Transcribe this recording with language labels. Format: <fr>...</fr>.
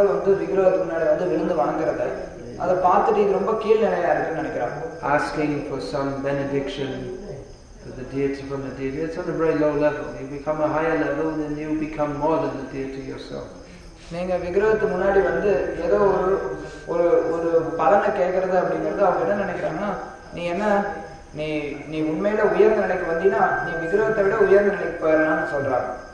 <ta>அவங்க பாக்குறாங்க மக்கள் வந்து விக்கிரகத்து முன்னாடி வந்து விழுந்து வணங்குறத அத பார்த்துட்டு இது ரொம்ப கீழ் நிலையா இருக்குன்னு நினைக்கிறாங்க.</ta> <en>Asking for some benediction for the deity from the deity, it's on a very low level. You become a higher level, then you become more than the deity yourself.</en> <ta>நீங்க விக்கிரகத்து முன்னாடி வந்து ஏதோ ஒரு ஒரு ஒரு பலனை கேக்குறது அப்படிங்கறது அவங்க என்ன நினைக்கிறாங்கன்னா, நீ என்ன நீ நீ உண்மையில உயர்ந்த நிலைக்கு வந்தீங்கன்னா நீ விக்கிரகத்தை விட உயர்ந்த நிலைக்கு போயிடலாம்னு சொல்றாங்க.</ta>